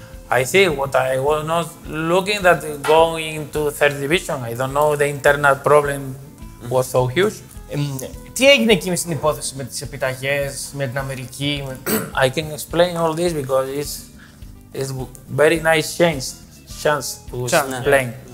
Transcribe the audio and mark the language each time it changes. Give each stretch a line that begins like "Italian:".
English: I see what I was not looking that going to third division. I don't know the internal problem was so huge.
Greek: Τι έγινε εκεί με την υπόθεση με τις επιταγές, με την Αμερική?
English: I can explain all this because it's very nice chance to explain.